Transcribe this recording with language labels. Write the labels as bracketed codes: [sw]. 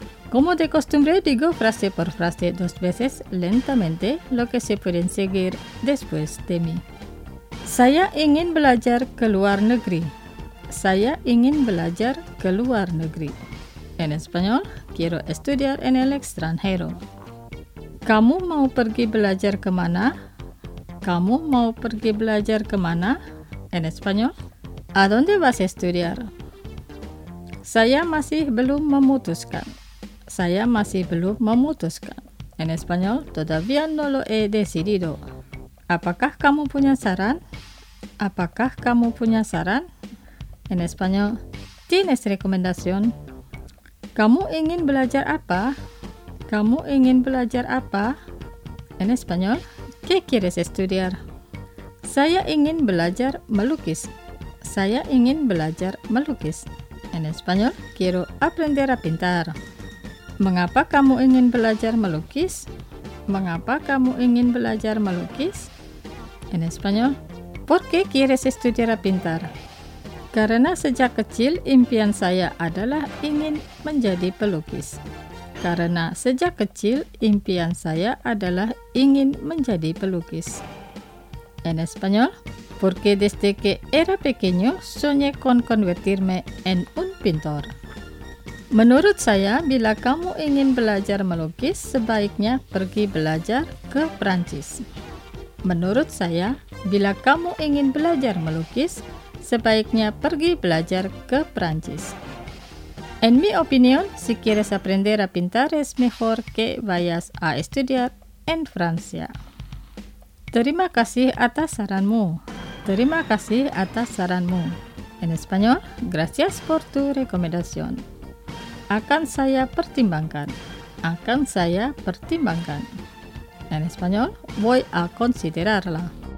[es] Como de costumbre, digo frase por frase dos veces lentamente lo que se pueden seguir después de mí. [id] Saya ingin belajar ke luar negeri. Saya ingin belajar ke luar negeri. [es] En español, quiero estudiar en el extranjero. [id] ¿Kamu mau pergi belajar kemana? Kamu mau pergi belajar kemana? [es] En español. ¿A dónde vas a estudiar? [id] Saya masih belum memutuskan. Saya masih belum memutuskan. [es] En español, todavía no lo he decidido. [id] Apakah kamu punya saran? Apakah kamu punya saran? [es] En español, ¿tienes recomendación? [id] Kamu ingin belajar apa? Kamu ingin belajar apa? [es] En español, ¿qué quieres estudiar? [id] Saya ingin belajar melukis. Saya ingin belajar melukis. [es] En español, quiero aprender a pintar. [id] Mengapa kamu ingin belajar melukis? Mengapa kamu ingin belajar melukis? [es] En español, ¿por qué quieres estudiar a pintar? [id] Karena sejak kecil impian saya adalah ingin menjadi pelukis. Karena sejak kecil impian saya adalah ingin menjadi pelukis. [es] En español, porque desde que era pequeño soñé con convertirme en un pintor. [id] Menurut saya, bila kamu ingin belajar melukis, sebaiknya pergi belajar ke Prancis. Menurut saya, bila kamu ingin belajar melukis, sebaiknya pergi belajar ke Prancis. [es] En mi opinión, si quieres aprender a pintar, es mejor que vayas a estudiar en Francia. [id] Terima kasih atas saranmu. Terima kasih atas saranmu. [es] En español, gracias por tu recomendación. [id] Akan saya pertimbangkan. Akan saya pertimbangkan. [es] En español, voy a considerarla.